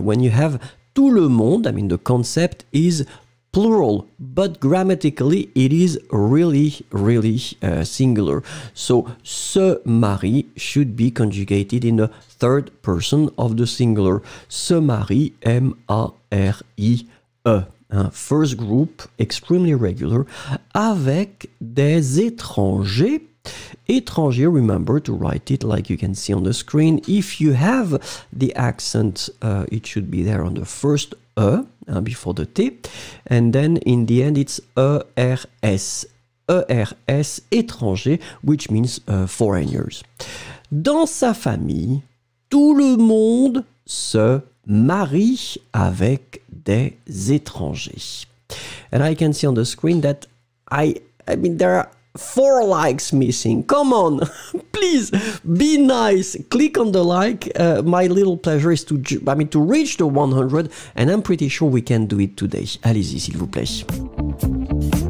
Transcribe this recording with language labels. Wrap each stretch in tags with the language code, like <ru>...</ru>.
<en>When you have tout le monde, I mean, the concept is plural, but grammatically, it is really, really singular. So, se marie should be conjugated in the third person of the singular. Se marie, M-A-R-I-E. First group, extremely regular,</en> <fr>avec des étrangers.</fr> <en>Étranger, remember to write it like you can see on the screen. If you have the accent, it should be there on the first E, before the T. And then in the end, it's E-R-S. E-R-S, étranger, which means foreigners.</en> <fr>Dans sa famille, tout le monde se marie avec des étrangers.</fr> <en>And I can see on the screen that I mean, there are four likes missing. Come on, please be nice. Click on the like. My little pleasure is to reach the 100, and I'm pretty sure we can do it today.</en> <fr>Allez-y, s'il vous plaît.</fr>